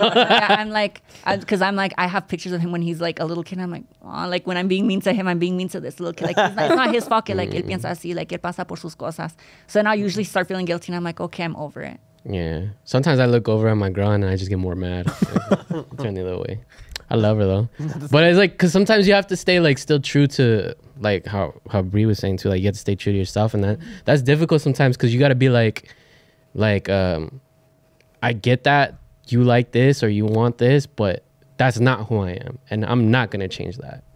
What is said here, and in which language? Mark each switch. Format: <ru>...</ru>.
<en>I'm like, I have pictures of him when he's like a little kid. I'm like, oh, like when I'm being mean to him, I'm being mean to this little kid. Like, he's not, it's not his fault.</en> <es>Que, like, él piensa así, like, él pasa por sus cosas.</es> <en>So now I usually start feeling guilty, and I'm like, okay, I'm over it. Yeah. Sometimes I look over at my girl and I just get more mad. Turn the other way. I love her though. But it's like, because sometimes you have to stay like still true to like how Bree was saying too, like you have to stay true to yourself, and that's difficult sometimes because you got to be like I get that you like this or you want this, but that's not who I am and I'm not gonna change that.</en>